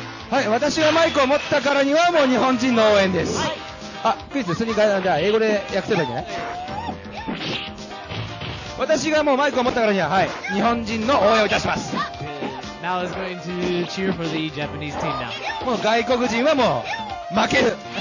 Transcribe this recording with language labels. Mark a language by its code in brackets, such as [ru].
[ja] Hi, 私がマイクを持ったからにはもう日本人の応援です。あ、クイズ、それに変えたんで、英語で訳せばいいんじゃない？私がもうマイクを持ったからには、はい、日本人の応援をいたします。 [en] Now is going to cheer for the Japanese team now. [ja] もう外国人はもう負ける。